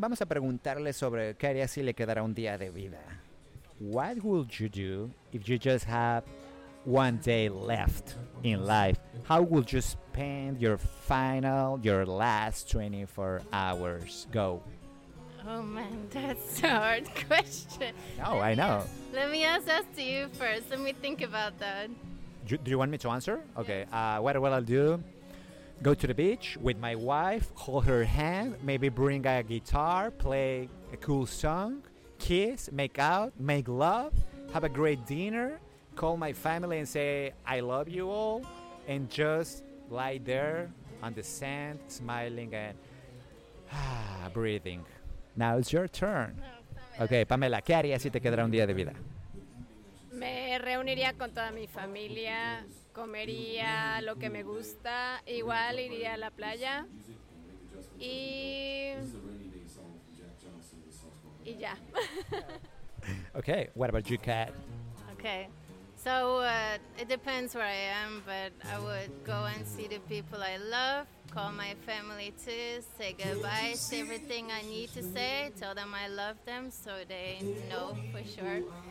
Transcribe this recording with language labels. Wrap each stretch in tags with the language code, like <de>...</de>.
<es>Vamos a preguntarle sobre qué haría si le quedara un día de vida.</es> <en>What would you do if you just have one day left in life? How would you spend your last 24 hours? Go. Oh, man, that's a hard question. No, I know. Let me ask that to you first. Let me think about that. Do you want me to answer? Okay. What will I do? go to the beach with my wife, hold her hand, maybe bring a guitar, play a cool song, kiss, make out, make love, have a great dinner, call my family and say, I love you all, and just lie there on the sand, smiling and breathing. Now it's your turn.</en> <es>Okay, Pamela, ¿qué harías si te quedara un día de vida? Me reuniría con toda mi familia, comería lo que me gusta, igual iría a la playa y ya.</es> <en>Okay, what about you, Kat? Okay, so it depends where I am, but I would go and see the people I love, call my family too, say goodbye, say everything I need to say, tell them I love them so they know for sure.</en>